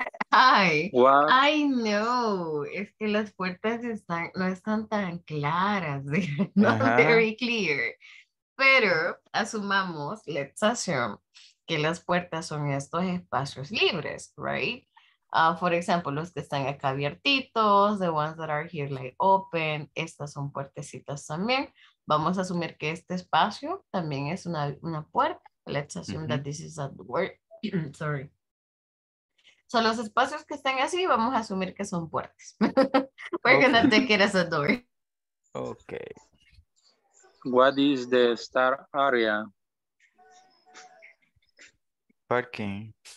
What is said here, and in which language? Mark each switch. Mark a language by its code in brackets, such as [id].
[es] Ay, no, es que las puertas no están tan claras, [en] no very clear, [es] pero asumamos, [en] let's assume, [es] que las puertas son estos espacios libres, right? [en] For example, [es] los que están acá abiertitos, [en] the ones that are here like open, [es] estas son puertecitas también. Vamos a asumir que este espacio también es una puerta. [en] Let's assume that this is a door, sorry. [es] Son los espacios que están así, vamos a asumir que son puertas. Porque no te quieres a door. Ok. [en] What is the start area? Parking.